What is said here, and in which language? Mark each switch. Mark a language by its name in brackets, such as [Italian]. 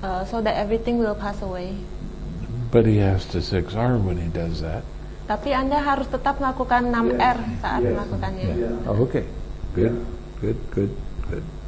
[English] So that everything will pass away. But he has to 6R when he does that. [Indonesian] Tapi Anda harus tetap melakukan 6R saat melakukannya. [English] Yeah. Oh, okay, good, good, good, good.